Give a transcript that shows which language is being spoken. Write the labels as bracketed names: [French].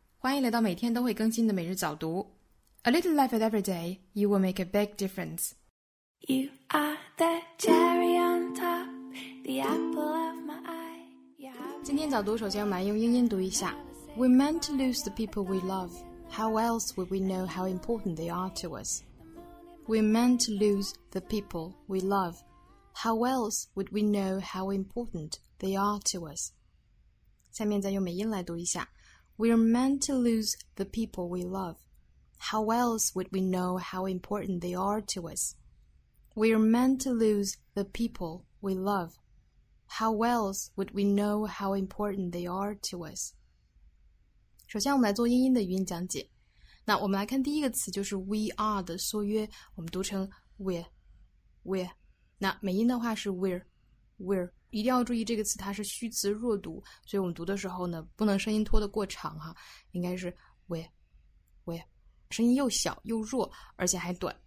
[Chinese] 欢迎来到每天都会更新的每日早读。 [English] A little life at every day, you will make a big difference. You are the cherry on top, the apple of my eye. [Chinese] 今天早读首先我们来用英音读一下。 [English] We meant to lose the people we love. How else would we know how important they are to us? We meant to lose the people we love. How else would we know how important they are to us? 下面再用美音来读一下 We're meant to lose the people we love. How else would we know how important they are to us? We're meant to lose the people we love. How else would we know how important they are to us? [Chinese] 首先我们来做英音的语音讲解。那我们来看第一个词就是 we are 的缩约，我们读成 we're, we're。那美音的话是 we're, we're。一定要注意这个词它是虚词弱读，所以我们读的时候呢不能声音拖得过长哈，应该是 we, we, 声音又小又弱而且还短。